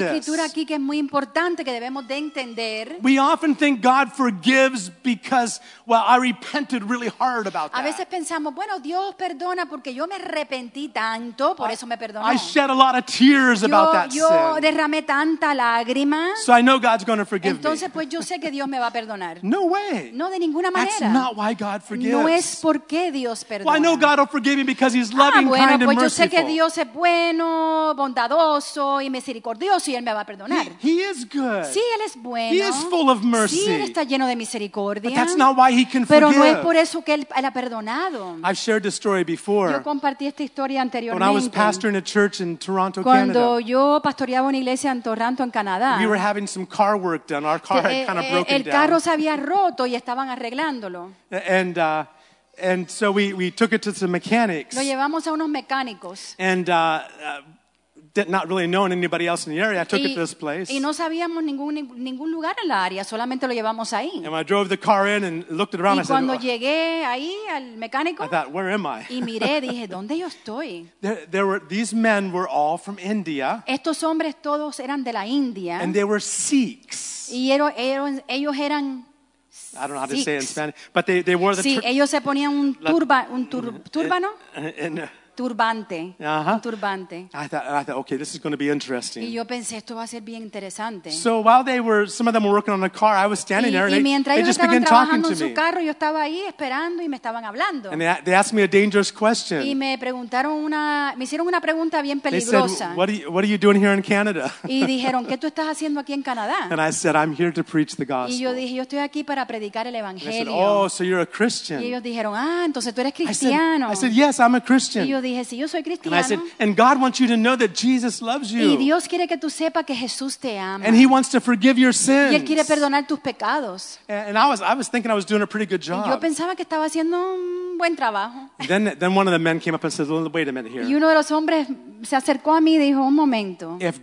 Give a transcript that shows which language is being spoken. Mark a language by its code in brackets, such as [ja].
[es] Hay una escritura aquí que es muy importante que debemos de entender. [en] We often think God forgives because, well, I repented really hard about that. [es] A veces pensamos, bueno, Dios perdona porque yo me arrepentí tanto, por eso me perdonó. [en] I shed a lot of tears about that sin. [es] Yo derramé tanta lágrima. [en] So I know God's going to forgive me. [es] Entonces pues yo sé que Dios me va a perdonar. [en] No way. [es] No de ninguna manera. [en] That's not why God forgives. [es] No es porque Dios perdona. [en] Well, I know God will forgive me because he's loving, [es] bueno, [en] kind, and [es] pues [en] merciful. [es] Yo sé que Dios es bueno, bondadoso y misericordioso y él me va a perdonar. [en] He is good. [es] Sí, él es bueno. [en] He is full of mercy. [es] Sí, él está lleno de misericordia. [en] But that's not why he can [es] Pero [en] forgive. [es] Pero no es por eso que él ha perdonado. [en] I've shared this story before. [es] Yo compartí esta historia anteriormente. [en] When I was pastoring a church in Toronto, [es] cuando [en] Canada. [es] Cuando yo pastoreaba una iglesia en Toronto, en Canadá. [en] We were having some car work done. Our car had kind of broken down. [es] El carro se había roto y estaban arreglándolo. [en] And so we took it to some mechanics. [es] Lo llevamos a unos mecánicos. [en] And not really knowing anybody else in the area, I took it to this place. [es] Y no sabíamos ningún lugar en la área, solamente lo llevamos ahí. [en] And I drove the car in and looked it around. [es] Y cuando [en] I said, [es] llegué ahí al mecánico, [en] I thought, where am I? [es] Y miré, dije, ¿dónde yo estoy? [en] There were these men were all from India. [es] Estos hombres todos eran de la India. [en] And they were Sikhs. [es] Y ellos eran. [en] I don't know how to say it in Spanish, but they wore the. [es] Sí, ellos se ponían un turbano. Turbante. Uh-huh. Turbante. [en] I thought, okay, this is going to be interesting. [es] Y yo pensé, esto va a ser bien interesante. [en] So while some of them were working on a car, I was standing there, and they just began talking to me. [es] En su carro, yo estaba ahí esperando y me estaban hablando. [en] And they asked me a dangerous question. [es] Y me hicieron una pregunta bien peligrosa. [en] They said, what are you doing here in Canada? [es] Y dijeron, ¿qué tú estás haciendo aquí en Canadá? [en] And I said, I'm here to preach the gospel. [es] Y yo dije, yo estoy aquí para predicar el evangelio. [en] They said, oh, so you're a Christian. [es] Y ellos dijeron, ah, entonces tú eres cristiano. [en] I said, yes, I'm a Christian. [es] Dije, si yo soy cristiano, [en] and I said, and God wants you to know that Jesus loves you. [es] Y Dios quiere que tú sepa que Jesús te ama. [en] And he wants to forgive your sins. [es] Y él quiere perdonar tus pecados. [en] And I was thinking I was doing a pretty good job. [es] Y yo pensaba que estaba haciendo un buen trabajo. [en] Then one of the men came up and said, well, wait a minute here. [es] Y uno de los hombres se acercó a mí y dijo, un momento.